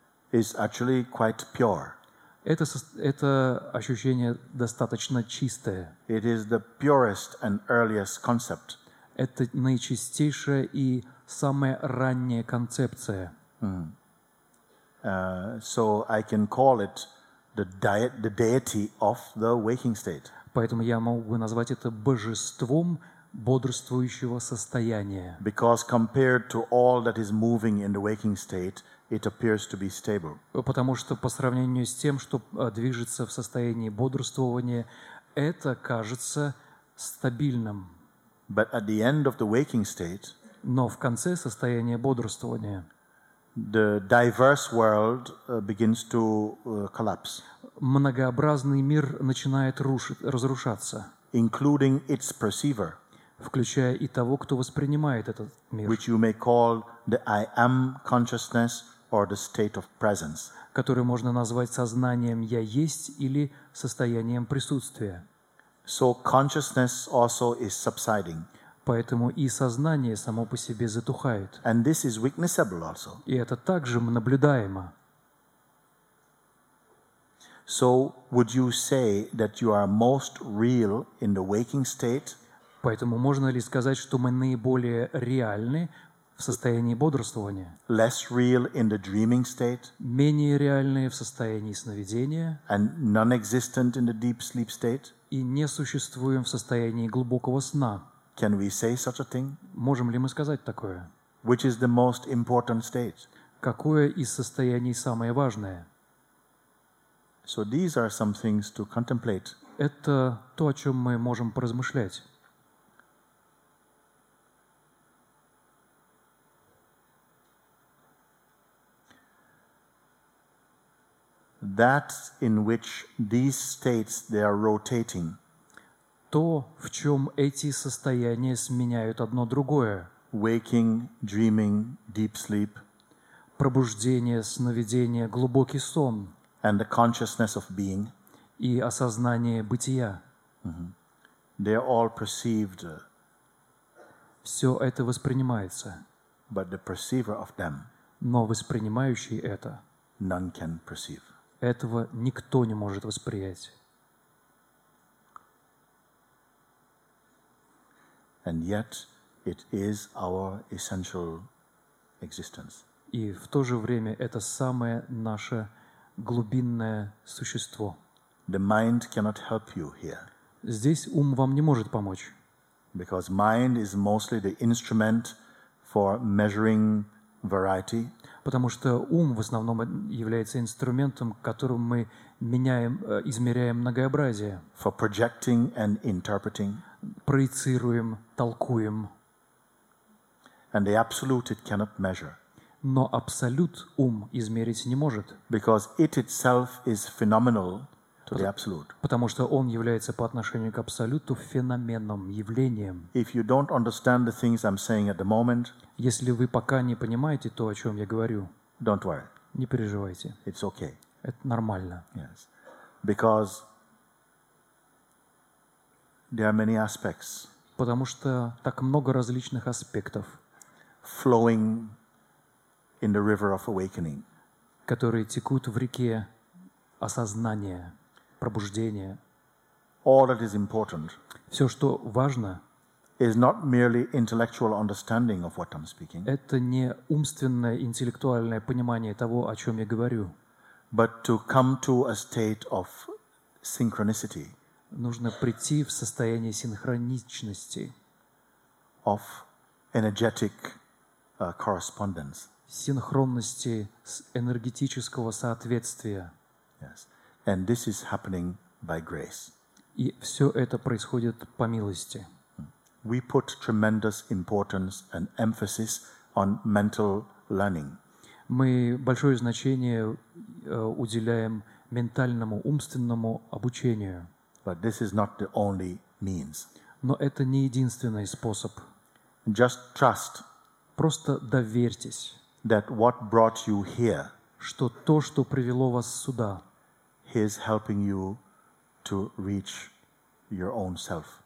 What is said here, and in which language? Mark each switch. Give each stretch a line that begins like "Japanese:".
English: is actually quite pure.
Russian: Это ощущение достаточно чистое.
English: It is the purest and earliest concept.
Russian: Это наичистейшая и самая ранняя концепция.
English: So I can call it the deity of the waking state.
Russian: Поэтому я могу назвать это божеством бодрствующего состояния.
English: Because compared to all that is moving in the waking state, it appears to be stable.
Russian: Потому что по сравнению с тем, что движется в состоянии бодрствования, это кажется стабильным.
English: But at the end of the waking state,
Russian: но в конце состояния бодрствования,
English: the diverse world begins to collapse.
Russian: Многообразный мир начинает разрушаться,
English: including its perceiver,
Russian: включая и того, кто воспринимает этот мир,
English: which you may call the I am consciousness. Or the state of presence,
Russian: который можно назвать сознанием «я есть» или состоянием присутствия.
English: So consciousness also is subsiding.
Russian: Поэтому и сознание само по себе затухает.
English: And this is witnessable also.
Russian: И это также наблюдаемо.
English: So would you say that you are most real in the waking state?
Russian: Поэтому можно ли сказать, что мы наиболее реальны в состоянии бодрствования?
English: Less real in the dreaming state?
Russian: Менее реальны в состоянии сновидения?
English: And non-existent in the deep sleep state?
Russian: И не существуем в состоянии глубокого сна?
English: Can we say such a thing?
Russian: Можем ли мы сказать такое?
English: Which is the most important state?
Russian: Какое из состояний самое важное?
English: So these are some things to contemplate.
Russian: Это то, о чем мы можем поразмышлять.
English: That in which these states they are rotating.
Russian: То, в чем эти состояния сменяют одно другое.
English: Waking, dreaming, deep sleep.
Russian: Пробуждение, сновидение, глубокий сон.
English: And the consciousness of being.
Russian: И осознание бытия. Mm-hmm.
English: They are all perceived.
Russian: Все это воспринимается.
English: But the perceiver of them.
Russian: Но воспринимающий это.
English: None can perceive.
Russian: Этого никто не может восприять.
English: And yet it is our essential existence.
Russian: И в то же время это самое наше глубинное существо.
English: The mind cannot help you here.
Russian: Здесь ум вам не может помочь.
English: Because mind is mostly the instrument for measuring variety.
Russian: Потому что ум в основном является инструментом, которым мы меняем, измеряем многообразие.
English: For projecting and interpreting.
Russian: Проецируем, толкуем.
English: And the absolute it cannot measure.
Russian: Но абсолют ум измерить не может.
English: Because it itself is phenomenal to the absolute.
Russian: Потому что он является по отношению к абсолюту феноменом, явлением.
English: If you don't understand the things I'm saying at the moment,
Russian: если вы пока не понимаете то, о чем я говорю,
English: don't worry.
Russian: Не переживайте.
English: It's okay.
Russian: Это нормально.
English: Yes. Because there are many aspects.
Russian: Потому что так много различных аспектов.
English: Flowing in the river of awakening.
Russian: Которые текут в реке осознания, пробуждения.
English: All that is important.
Russian: Все, что важно.
English: Is not merely intellectual understanding of what I'm speaking.
Russian: Это не умственное, интеллектуальное понимание того, о чем я говорю.
English: But to come to a state of synchronicity.
Russian: Нужно прийти в состояние синхроничности.
English: Of energetic correspondence.
Russian: Синхронности с энергетического соответствия.
English: Yes. And this is happening by grace.
Russian: И все это происходит по милости.
English: We put tremendous importance and emphasis on mental learning.
Russian: Мы большое значение уделяем ментальному, умственному обучению.
English: But this is not the only means.
Russian: Но это не единственный способ.
English: Just trust.
Russian: Просто доверьтесь.
English: That what brought you here.
Russian: Что то, что привело вас сюда.
English: He is helping you to reach your own self.